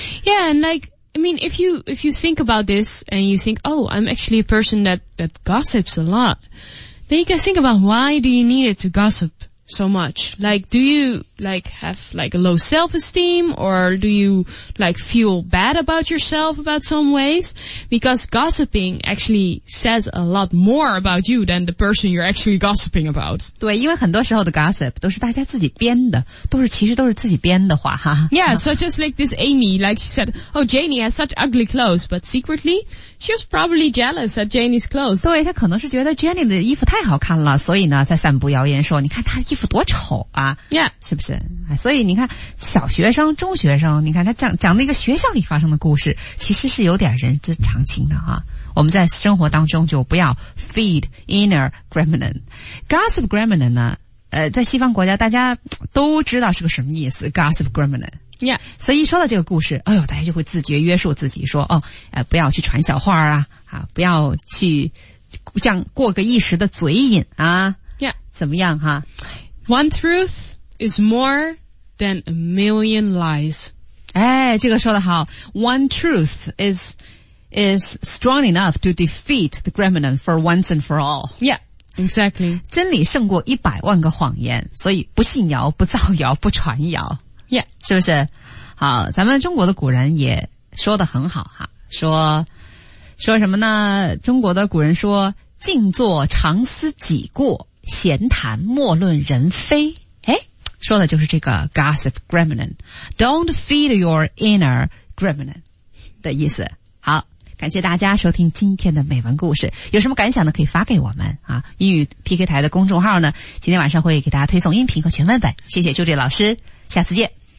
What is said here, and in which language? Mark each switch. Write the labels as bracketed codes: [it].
[en] Yeah, and like,I mean, if you think about this and you think, oh, I'm actually a person that gossips a lot, then you can think about why do you need it to gossip so much? Like, do you, like, have, like, a low self-esteem or do you, like, feel bad about yourself about some ways? Because gossiping actually says a lot more about you than the person you're actually gossiping about. [zh] 对，因为很多时候的 gossip 都是大家自己编的，其实都是自己编的话，哈。 [en] Yeah, so just like this Amy, like she said, oh, Janie has such ugly clothes, but secretly, she was probably jealous at Janie's clothes. [zh] 对，她可能是觉得 Janie 的衣服太好看了，所以呢，在散布谣言说，你看她衣服多丑啊。 [en] Yeah. [zh] 是不是？所以你看，小学生、中学生，你看他讲那个学校里发生的故事，其实是有点人之常情的啊。我们在生活当中就不要 [en] feed inner gremlin, gossip gremlin [zh] 呢？在西方国家大家都知道是个什么意思 ， [en] gossip gremlin。 Yeah. [zh] 所以一说到这个故事，哎呦，大家就会自觉约束自己说，哦，不要去传小话啊，不要去这样过个一时的嘴瘾啊。 [en] Yeah. [zh] 怎么样哈 [en] ？One truth. Is more than a million lies. [zh] 哎，这个说得好。 [en] One truth is strong enough to defeat the gremlin for once and for all. Yeah. Exactly. [zh] 真理胜过一百万个谎言，所以不信谣，不造谣，不传谣。 [en] Yeah. [zh] 是不是？好，咱们中国的古人也说得很好哈，说什么呢？中国的古人说，静坐常思己过，闲谈莫论人非。说的就是这个 [en] gossip gremlin, don't feed your inner gremlin [zh] 的意思。好，感谢大家收听今天的美文故事，有什么感想呢可以发给我们啊。英语 PK 台的公众号呢今天晚上会给大家推送音频和全文本，谢谢秋芷老师，下次见。